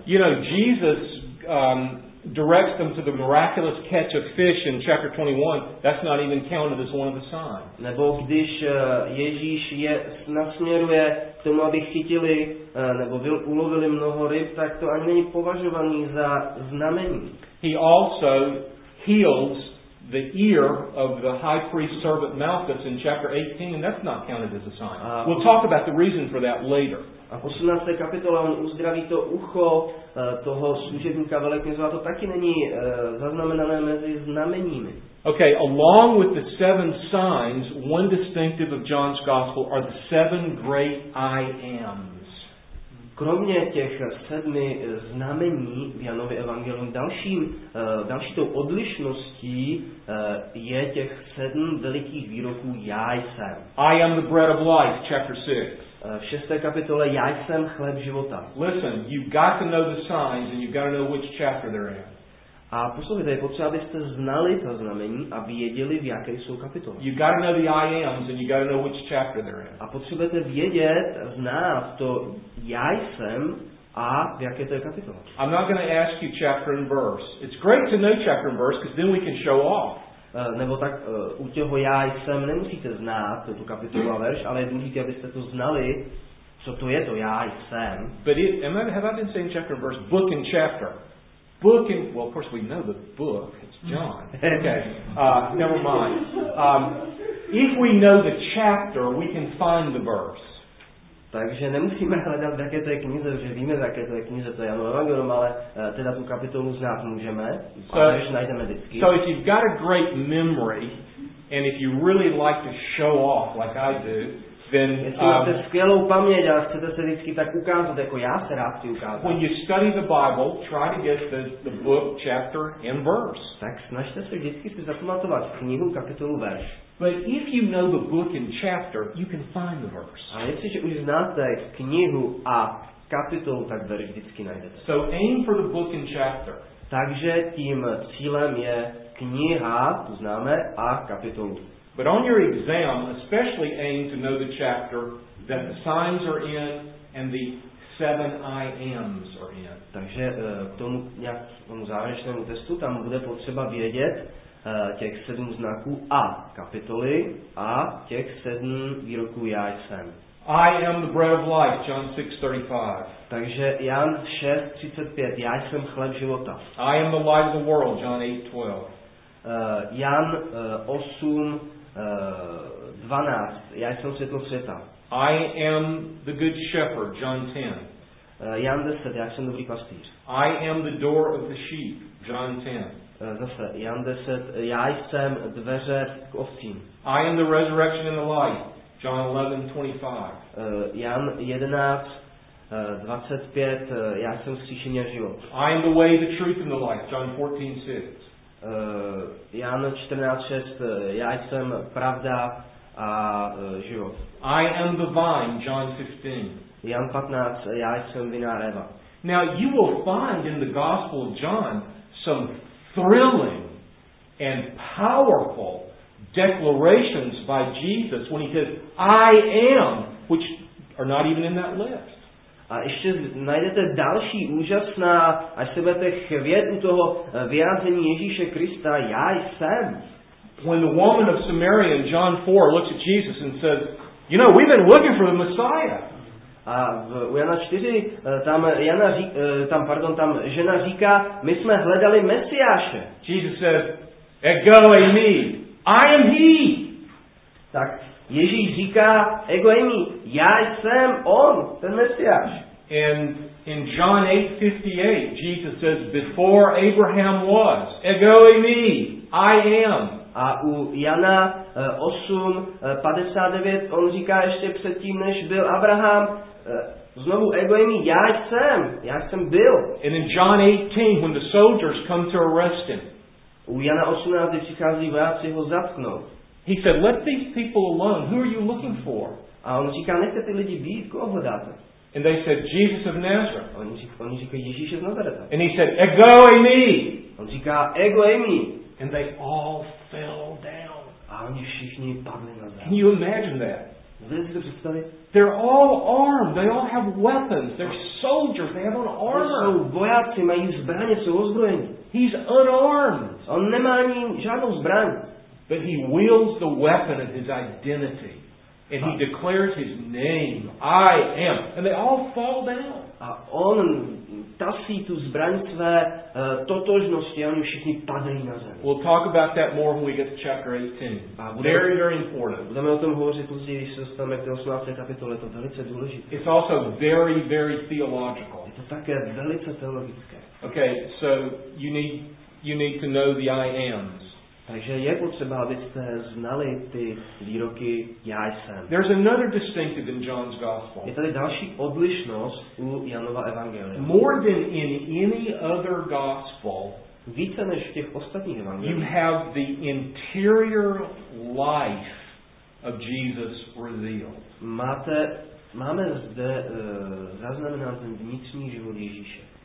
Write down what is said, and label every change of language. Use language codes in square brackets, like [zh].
[en] You know, Jesus directs them to the miraculous catch of fish in chapter 21. That's not even counted as one of the signs. [cs] Nebo když Ježíš je nasměruje k tomu, aby chytili nebo ulovili mnoho ryb, tak to ani není považovaný za znamení. [en] He also heals the ear of the high priest servant Malchus in chapter 18, and that's not counted as a sign. We'll talk about the reason for that later. [cs] A 18. kapitola, on uzdraví to ucho toho služebníka velekněze, a to taky není zaznamenané mezi znameními. [en] Okay, along with the seven signs, one distinctive of John's gospel are the seven great I ams. [cs] Kromě těch sedmi znamení v Janově evangelium, další tou odlišností je těch sedm velikých výroků já jsem. [en] I am the bread of life, chapter 6. [cs] V 6. kapitole já jsem chléb života. [en] Listen, you've got to know the signs and you've got to know which chapter they're in. [cs] A poslouchejte, je potřeba, abyste znali to znamení a věděli, v jaké jsou kapitole. [en] You've got to know the I ams and you've got to know which chapter they're in. [cs] A potřebujete vědět, znát to já jsem a v jaké to je kapitole. [en] I'm not going to ask you chapter and verse. It's great to know chapter and verse because then we can show off. [cs] Nebo tak u toho já jsem nemusíte znát tu kapitolu a verš, ale je důležité, abyste to znali, co to je to já jsem. [en] But it, have I been saying chapter and verse, book and chapter? Book and, well, of course we know the book, it's John. Okay, never mind. If we know the chapter, we can find the verse. [cs] Takže nemusíme hledat, v jaké to je knize, že víme, v jaké to je knize, to je Janovo evangelium, ale teda tu kapitolu znát můžeme, když najdeme vždycky. [en] So if you've got a great memory, and if you really like to show off like I do, then... [cs] Jestli máte skvělou paměť a chcete se vždycky tak ukázat, jako já se rád chci ukázat. [en] When you study the Bible, try to get the book, chapter, and verse. [cs] Tak snažte se vždycky si zapamatovat knihu, kapitolu, verš. [en] But if you know the book and chapter, you can find the verse. [cs] A jestli už znáte knihu a kapitolu, tak verš vždycky najdete. [en] So aim for the book and chapter. [cs] Takže tím cílem je kniha, tu známe, a kapitolu. [en] But on your exam, especially aim to know the chapter that the signs are in and the seven I ams are in. [cs] Takže k tomu nějakému závěrečnému testu tam bude potřeba vědět těch sedm znaků a kapitoly a těch sedm výroků já jsem. [en] I am the bread of life, John 6:35. [cs] Takže Jan 6:35, já jsem chléb života. [en] I am the light of the world, John 8:12. [cs] Jan 8, 12, já jsem světlo světa. [en] I am the good shepherd, John 10. [cs] Jan 10, já jsem dobrý pastýř. [en] I am the door of the sheep, John 10. [cs] Zase, Jan 10, já jsem dveře k ovcím. [en] I am the resurrection and the life, John 11:25. [cs] Jan 11, 25, já jsem vzkříšení a život. [en] I am the way, the truth and the life, John 14:6. [cs] Jan 14:6, já jsem pravda a život. [en] I am the vine, John 15. [cs] Jan 15, já jsem vinař Eva. [en] Now you will find in the Gospel of John some thrilling and powerful declarations by Jesus when he says, I am, which are not even in that list. [cs] A ještě najdete další úžasná, až se budete chvět u toho vyjádření Ježíše Krista, já jsem. [en] When the woman of Samaria in John 4 looks at Jesus and says, you know, we've been looking for the Messiah. [cs] A u Jana 4 tam žena říká, my jsme hledali Mesiáše. [en] Jesus says, [el] ego eimi, [en] I am he. [cs] Tak Ježíš říká, [el] ego eimi, [cs] já jsem on, ten Mesiáš. [en] And in John 8:58, Jesus says, before Abraham was, [el] ego eimi, [en] I am. [cs] A u Jana 8, 59, on říká ještě předtím, než byl Abraham, znovu [el] ego eimi, [cs] já jsem byl. [en] And in John 18, when the soldiers come to arrest him, [cs] u Jana 18, když přichází vojáci ho zatknout, [en] he said, let these people alone, who are you looking for? [cs] A on říká, nechte ty lidi být, koho hledáte? [en] And they said, Jesus of Nazareth. [cs] Oni říká, Ježíš z Nazareta. [en] And he said, [el] ego eimi. [cs] On říká, [el] ego eimi. [en] And they all fell down. [cs] A oni všichni padli na zem. [en] Can you imagine that? They're all armed. They all have weapons. They're soldiers. They have on armor. [cs] Vojáci mají zbraně, jsou ozbrojení. [en] He's unarmed. [cs] On nemá ani žádnou zbraň. [en] But he wields the weapon of his identity. And he declares his name, I am. And they all fall down. [cs] A on tasí tu zbraň své totožnosti a oni všichni padají na zem. [en] We'll talk about that more when we get to chapter 18. Very, very important. [cs] Budeme o tom hovořit později, když se dostaneme k 18. kapitole. To velice důležité. [en] It's also very, very theological. [cs] Je to také velice teologické. [en] Okay, so you need to know the I ams. [cs] Takže je potřeba, abyste znali ty výroky já jsem. [en] There's another distinctive in John's gospel. [cs] Je tady další odlišnost u Janova evangelia. [en] More than in any other gospel, [cs] více než v těch ostatních evangeliích, [en] you have the interior life of Jesus revealed. [cs] Máme zde zaznamenán ten vnitřní život Ježíše.